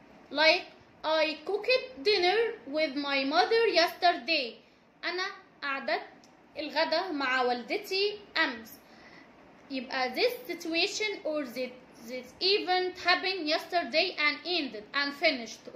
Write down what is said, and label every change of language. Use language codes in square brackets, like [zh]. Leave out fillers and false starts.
[en] like I cooked dinner with my mother yesterday. [ar] انا قعدت الغدا مع والدتي امس. [en] يبقى this situation or this event happened yesterday and ended and finished.